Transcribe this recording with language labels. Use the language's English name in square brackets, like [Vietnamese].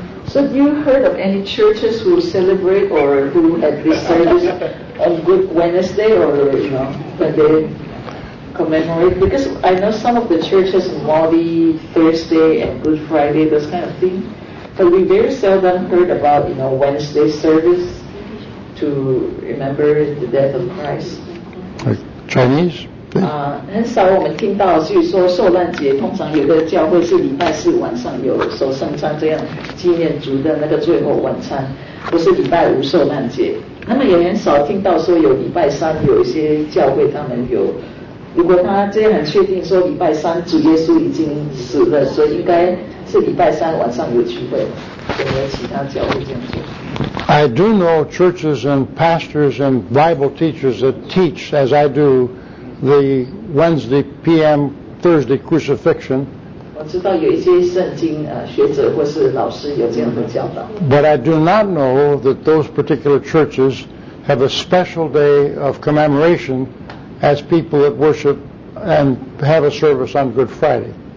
[English] So have you heard of any churches who celebrate or who had this service on Good Wednesday or, you know, when they commemorate? Because I know some of the churches, Maundy, Thursday, and Good Friday, those kind of things. But we very seldom heard about, you know, Wednesday service to remember the death of Christ. Like Chinese? [Chinese] 很少我们听到就是说受难节通常有个教会是礼拜四晚上有守圣餐这样纪念主的那个最后晚餐不是礼拜五受难节他们也很少听到说有礼拜三有一些教会他们有如果他这样很确定说礼拜三主耶稣已经死了所以应该是礼拜三晚上有聚会有没有其他教会这样做 [English] I do know churches and pastors and Bible teachers that teach as I dodo the Wednesday p.m. Thursday crucifixion. But I do not know that those particular churches have a special day of commemoration as people that worship and have a service on Good Friday.